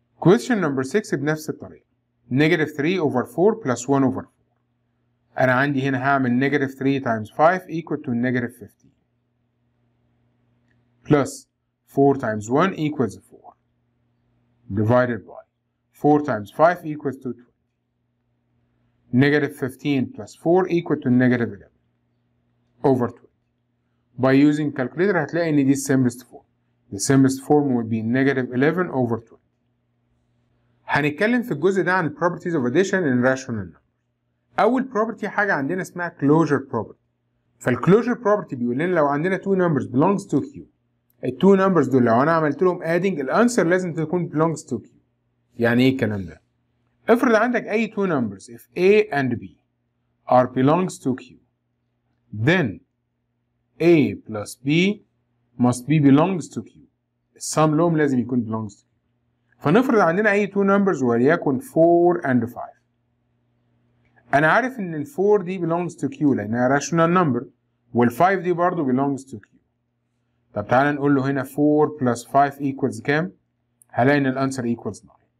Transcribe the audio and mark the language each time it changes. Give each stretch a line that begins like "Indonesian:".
English: Question number 6
Arabic: بنفس الطريقة.
English: Negative 3 over 4 plus 1 over 4.
Arabic: أنا عندي هنا هعمل
English: negative 3 times 5 equal to negative 15. Plus 4 times 1 equals 4. Divided by 4 times 5 equals to 20. Negative 15 plus 4 equal to negative 11. Over 20. By using calculator
Arabic: هتلاقي إن دي
English: simplest form. The simplest form will be negative 11 over 20.
Arabic: هنتكلم في الجزء ده عن
English: properties of addition and rational number.
Arabic: أول property حاجة عندنا اسمها closure property.
English: فالclosure property
Arabic: بيقول لنا لو عندنا
English: two numbers belongs to Q.
Arabic: التو numbers دول لو أنا عملت لهم adding الانسر لازم تكون
English: belongs to Q.
Arabic: يعني إيه الكلام ده؟ افرض عندك أي
English: two numbers if A and B are belongs to Q. Then A plus B must be belongs to Q.
Arabic: السم لهم لازم يكون
English: belongs to Q.
Arabic: فنفرض عندنا اي two numbers وليكن
English: 4 and 5.
Arabic: انا عارف ان ال 4 دي belongs to Q لانها
English: rational number
Arabic: وال 5 دي برضو belongs to Q. طب تعالى نقول له هنا
English: 4 plus 5 equals
Arabic: كام؟ هلاقي ان الانسر
English: equals 9.